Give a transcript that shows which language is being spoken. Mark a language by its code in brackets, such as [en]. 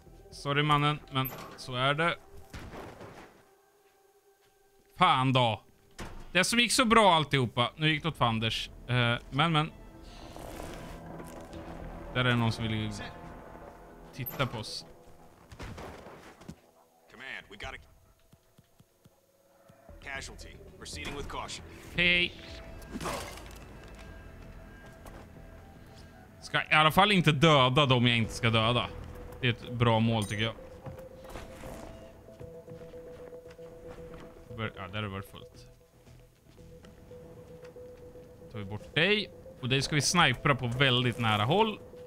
[sv] Sorry, mannen, men så är det. Fan då. Det som gick så bra alltihopa. Nu gick det åt fanders. Men. Där är någon som vill titta på oss. [en] Command, we got a casualty. Proceeding with caution. [sv] Hej. Ska i alla fall inte döda dem jag inte ska döda. Det är ett bra mål tycker jag. Ja, där är det väl fullt. Tar vi bort dig. Och dig ska vi snipera på väldigt nära håll.